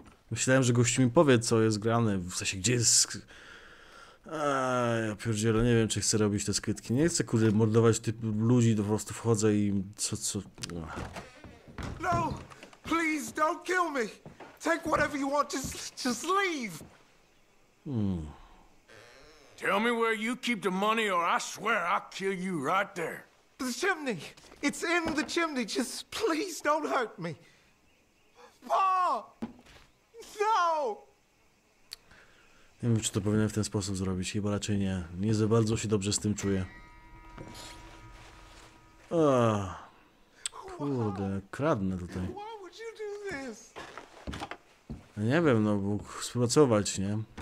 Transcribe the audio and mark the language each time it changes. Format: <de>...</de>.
<pl>Myślałem, że gościu mi powie, co jest grane, w sensie, gdzie jest... ja pierdzielę, nie wiem, czy chcę robić te skrytki. Nie chcę, kurde, mordować typu ludzi, to po prostu wchodzę i... co...</pl> <en>No! Please, don't kill me! Take whatever you want, just leave! Tell me where you keep the money or I swear I'll kill you right there. The chimney. It's in the chimney. Just please don't hurt me. Pa! No!</en> <pl>Nie wiem, czy to powinienem w ten sposób zrobić. Chyba raczej nie. Nie za bardzo się dobrze z tym czuję. Kurde, kradnę tutaj. Nie wiem, no bo współpracować, nie?</pl>